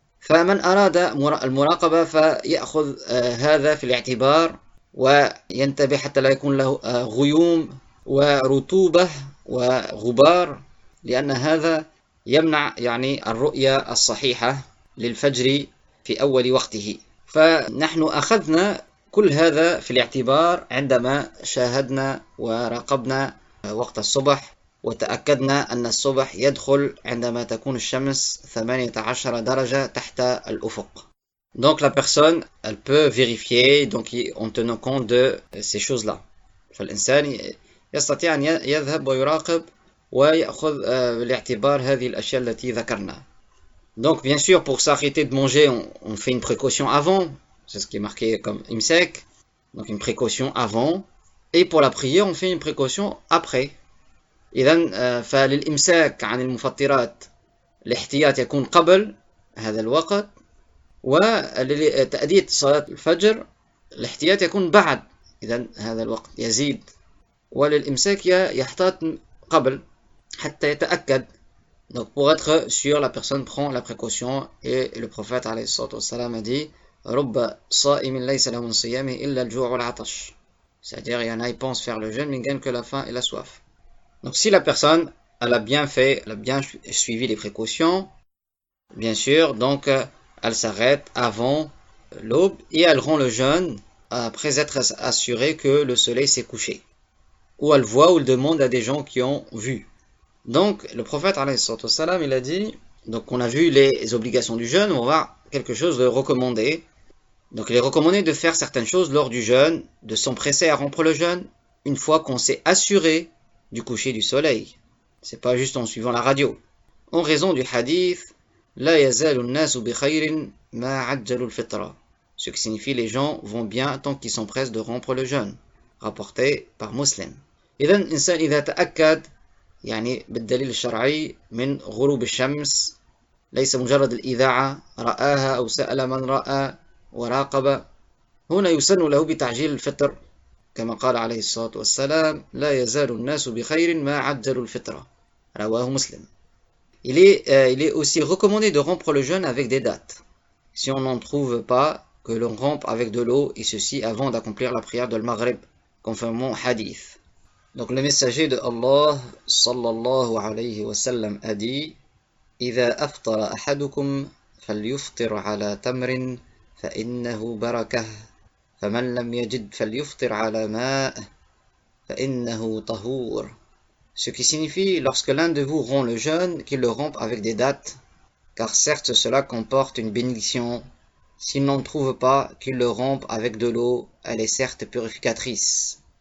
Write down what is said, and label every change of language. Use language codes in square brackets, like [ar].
[ar] فمن أراد المراقبة فيأخذ هذا في الاعتبار وينتبه حتى لا يكون له غيوم ورطوبة وغبار، لأن هذا يمنع يعني الرؤية الصحيحة للفجر في أول وقته. فنحن أخذنا كل هذا في الاعتبار عندما شاهدنا وراقبنا وقت الصبح وتأكدنا أن الصبح يدخل عندما تكون الشمس 18 درجة تحت الأفق. [fr] Donc la personne, elle peut vérifier donc en tenant compte de ces choses-là. [ar] فالإنسان يستطيع أن يذهب ويراقب ويأخذ بالاعتبار هذه الأشياء التي ذكرنا. [fr] Donc bien sûr pour s'arrêter de manger, on fait une précaution avant. C'est ce qui est marqué comme imsek. Donc une précaution avant. Et pour la prière, on fait une précaution après. [ar] إذن فالإمساك عن المفطرات الاحتياط يكون قبل هذا الوقت وتأدية صلاة الفجر الاحتياط يكون بعد إذن هذا الوقت يزيد وللإمساك يحتاط قبل حتى يتأكد [fr] donc pour être sûr la personne prend la précaution et le prophète [ar] عليه الصلاة والسلام [fr] a dit [ar] رب صائم ليس له من صيامه إلا الجوع والعطش [fr] c'est-à-dire il y en a qui pensent faire le jeûne mais ils gagnent que la faim et la soif. Donc si la personne elle a bien fait, elle a bien suivi les précautions, bien sûr, donc elle s'arrête avant l'aube et elle rompt le jeûne après être assurée que le soleil s'est couché. Ou elle voit ou elle demande à des gens qui ont vu. Donc le prophète, alayhi salam, il a dit, donc on a vu les obligations du jeûne, on va voir quelque chose de recommandé. Donc il est recommandé de faire certaines choses lors du jeûne, de s'empresser à rompre le jeûne, une fois qu'on s'est assuré du coucher du soleil. C'est pas juste en suivant la radio. En raison du hadith, [ar] لا يزال الناس بخير ما عجلوا الفطرة. [fr] Ce qui signifie les gens vont bien tant qu'ils s'empressent de rompre le jeûne. Rapporté par Muslim. [ar] إذن الإنسان إذا تأكد يعني بالدليل الشرعي من غروب الشمس ليس مجرد الإذاعة رآها أو سأل من رأى وراقب هنا يسن له بتعجيل الفطر كما قال عليه الصلاة والسلام لا يزال الناس بخير ما عجلوا الفطرة رواه مسلم. [fr] Il est aussi recommandé de rompre le jeûne avec des dates. Si on n'en trouve pas, que l'on rompe avec de l'eau et ceci avant d'accomplir la prière de le Maghrib, conformément au hadith. Donc le messager de Allah sallallahu alayhi wa sallam a dit [ar] إذا أفطر أحدكم فليفطر على تمر فإنه بركه فمن لم يجد فليفطر على ماء فإنه طهور. [fr] Ce qui signifie, lorsque l'un de vous rompt le jeûne, qu'il le rompe avec des dattes, car certes cela comporte une bénédiction. S'il n'en trouve pas, qu'il le rompe avec de l'eau, elle est certes purificatrice.